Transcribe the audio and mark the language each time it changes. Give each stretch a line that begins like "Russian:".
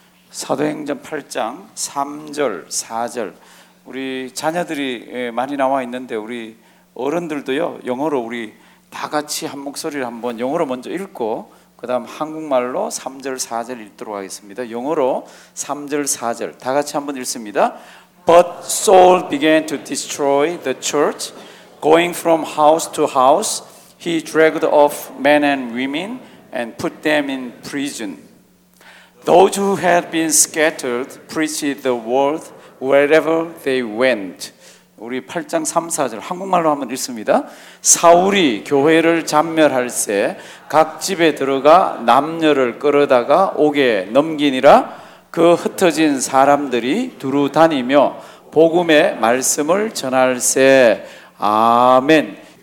Korean: 사도행전 8장 3절 4절 우리 자녀들이 많이 나와 있는데 우리 어른들도요 영어로 우리 다 같이 한 목소리를 한번 영어로 먼저 읽고 그 다음 한국말로 3절 4절 읽도록 하겠습니다. 영어로 3절 4절 다 같이 한번 읽습니다.
English: But Saul began to destroy the church, going from house to house. He dragged off men and women and put them in prison. Those who had been scattered preached the word wherever they went.
Korean: 우리 8장 3, 4절 한국말로 한번 읽습니다. 사울이 교회를 잔멸할 새 각 집에 들어가 남녀를 끌어다가 옥에 넘기니라 그 흩어진 사람들이 두루 다니며 복음의 말씀을 전할 새 아멘.